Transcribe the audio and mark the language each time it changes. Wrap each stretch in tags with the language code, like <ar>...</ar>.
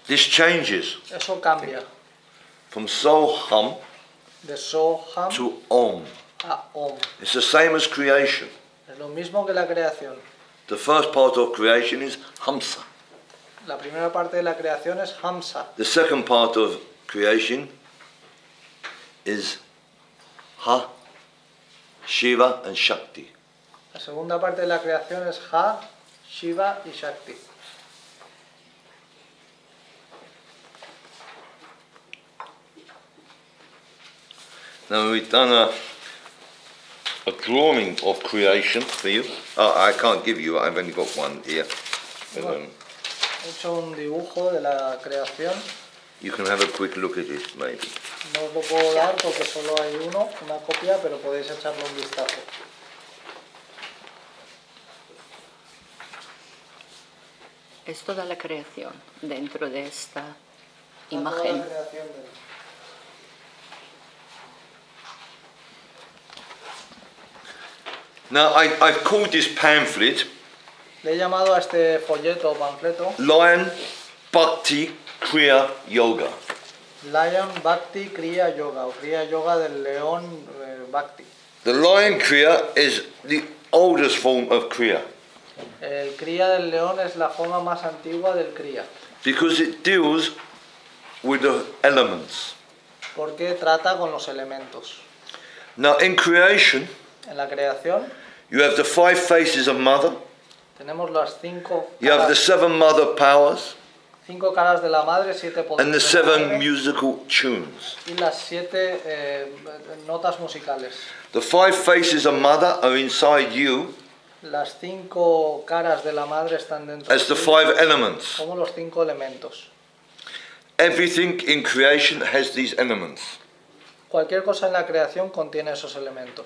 <en>This changes.</en> <es>Eso cambia.</es> <en>From so hum.</en> <es>De so hum.</es> <en>To om.</en> <es>A om.</es> <en>It's the same as creation.</en> <es>Lo mismo que la creación.</es> <en>The first part of creation is Hamsa.</en> <es>La primera parte de la creación es Hamsa.</es> <en>The second part of creation is Ha, Shiva and Shakti.</en> <es>La segunda parte de la creación es Ha, Shiva y Shakti.</es> <en>Now, Now we've done a drawing of creation for you. Oh, I can't give you, I've only got one here.</en> <es>He hecho un dibujo de la creación.</es> <en>You can have a quick look at it, maybe.</en> <es>No os lo puedo dar porque solo hay uno, una copia, pero podéis echarle un vistazo. Es toda la creación dentro de esta imagen. Toda la creación de...</es> <en>Now I've called this pamphlet.</en> <es>Le he llamado a este folleto o panfleto.</es> <en>Lion Bhakti Kriya Yoga.</en> <es>Lion Bhakti Kriya Yoga o Kriya Yoga del león Bhakti.</es> <en>The lion Kriya is the oldest form of Kriya.</en> <es>El Kriya del león es la forma más antigua del Kriya.</es> <en>Because it deals with the elements.</en> <es>Porque trata con los elementos.</es> <en>Now in creation.</en> <es>En la creación.</es> <en>You have the five faces of mother.</en> <es>Tenemos las cinco caras.</es> <en>You have the seven mother powers.</en> <es>Cinco caras de la madre, siete poderes.</es> <en>And the seven musical tunes.</en> <es>Y las siete notas musicales.</es> <en>The five faces of mother are inside you.</en> <es>Las cinco caras de la madre están dentro.</es> <en>As the five elements.</en> <es>Como los cinco elementos.</es> <en>Everything in creation has these elements.</en> <es>Cualquier cosa en la creación contiene esos elementos.</es>